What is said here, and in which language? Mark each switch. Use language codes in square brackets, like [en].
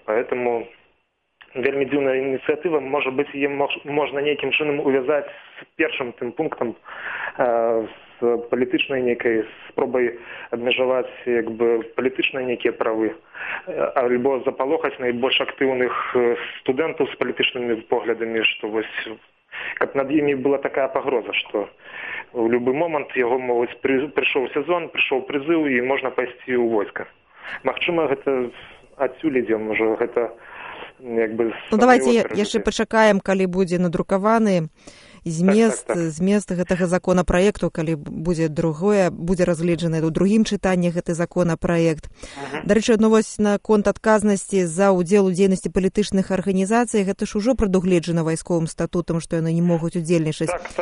[be] Поэтому вельмі дзіўная ініцыятыва, может быть, ее можна некім чынам [uk] увязаць с першым тым пунктам, с політичною некою спробою обмежувати якби політичні некі права, або заполохати найбільш активних студентів з політичними поглядами, що ось як над ними була така погроза, що в будь-який момент його можуть прийшов сезон, прийшов призив і можна пойти у войска. [be] Магчыма, гэта адсюль ідзе, може гэта якби. [uk] Ну давайте ще почекаємо, коли буде надрукований [be] змест гэтага законапраекту, калі будзе другое, будзе разгледжаны ў другім чытанні гэты законапраект. Дарэчы, ну вось на конт адказнасці за ўдзел у дзейнасці палітычных арганізацый, гэта ж ужо прадугледжана вайсковым статутам, што яны не могуць удзельнічаць.